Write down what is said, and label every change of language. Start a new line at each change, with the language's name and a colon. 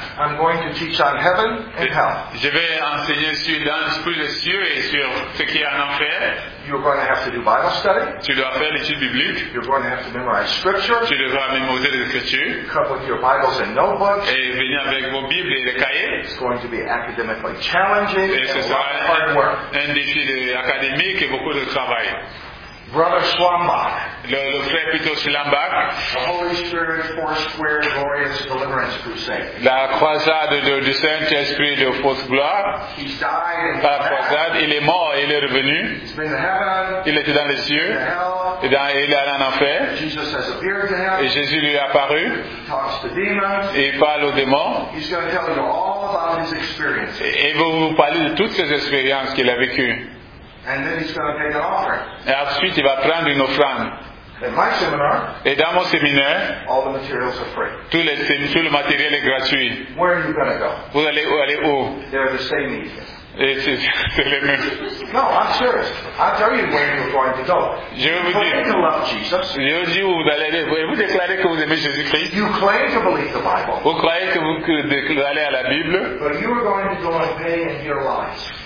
English: I'm going to teach on heaven and hell.
French: Je vais enseigner sur l'esprit des cieux et sur ce qu'il y a en enfer.
English: You're going to have to do Bible study.
French: Tu dois faire l'étude biblique.
English: You're going to have to memorize scripture.
French: Tu devras mémoriser les écritures.
English: Come with your Bibles and notebooks.
French: Et venir avec vos Bibles et les cahiers.
English: It's going to be academically challenging
French: et ce
English: and
French: sera
English: a lot of hard work.
French: Un défi académique et beaucoup de travail.
English: Brother Schlambach.
French: Le frère Peter Schlambach.
English: The Holy Spirit Four Square Glorious Deliverance Crusade.
French: La croisade du Saint-Esprit de fausse gloire.
English: He's died.
French: La croisade, il est mort, il est revenu.
English: He's been to heaven.
French: Il était dans les cieux. Et dans, il est allé en enfer.
English: Jesus has appeared to him.
French: Et Jésus lui est apparu.
English: He talks to demons.
French: Et il parle aux démons.
English: He's going to tell you all about his experiences.
French: Et il va vous parler de toutes ses expériences qu'il a vécues.
English: And then he's going to pay the offering.
French: Et ensuite, il va prendre une offrande.
English: In my seminar,
French: et dans mon séminaire,
English: all the materials are free.
French: Tout le matériel est gratuit.
English: Where are you going to go?
French: Vous allez où? Allez où?
English: They're the same meetings.
French: Et c'est les mêmes.
English: No, I'm serious. I'll tell you where you're going to go.
French: Je vais vous dire.
English: You love Jesus.
French: Je vous dis où vous allez aller. Vous déclarez que vous aimez Jésus-Christ.
English: You claim to believe the Bible.
French: Vous croyez que vous allez à la Bible.
English: But you are going to go and pay and hear lies.